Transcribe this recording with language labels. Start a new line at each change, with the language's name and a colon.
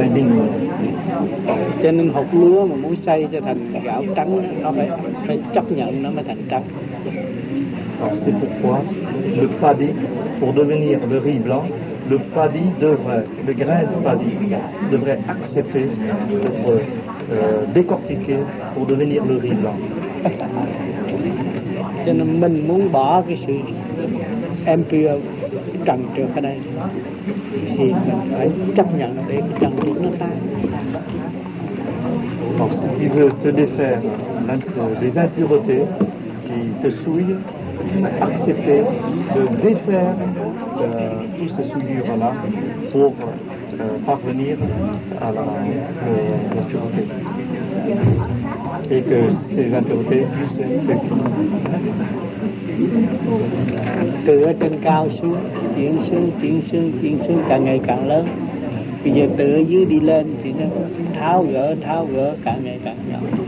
French: est digne.
Vietnamese: Cho nên hột lúa mà muốn xây cho thành gạo trắng nó phải chấp nhận nó mới thành trắng.
French: Alors c'est pourquoi le paddy, pour devenir le riz blanc, le paddy devrait, le grain de paddy devrait accepter d'être décortiqué pour devenir le riz blanc.
Vietnamese: Cho nên mình muốn bỏ cái sự impure trần trược ở đây thì mình phải chấp nhận để trần trược nó tan.
French: Alors si tu veux te défaire des impuretés qui te souillent, accepter de défaire tous ces souillures-là pour parvenir à la pureté. Et que ces impuretés puissent être
Vietnamese: Từ ở trên cao xuống, chuyển xuống, chuyển xuống, chuyển xuống càng ngày càng lớn. Bây giờ từ ở dưới đi lên thì nó tháo gỡ càng ngày càng nhỏ.